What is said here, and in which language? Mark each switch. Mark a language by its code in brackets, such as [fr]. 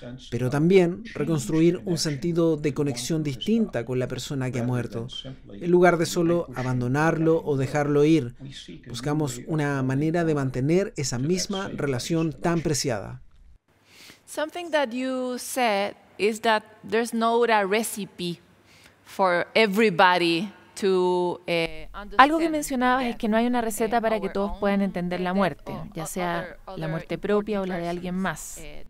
[es] Pero también reconstruir un sentido de conexión distinta con la persona que ha muerto. En lugar de solo abandonarlo o dejarlo ir, buscamos una manera de mantener esa misma relación tan preciada. [en] Something that you said is that there's not a recipe for everybody to understand. [es] Algo que mencionabas es que no hay una receta para que todos puedan entender la muerte, ya sea la muerte propia o la de alguien más.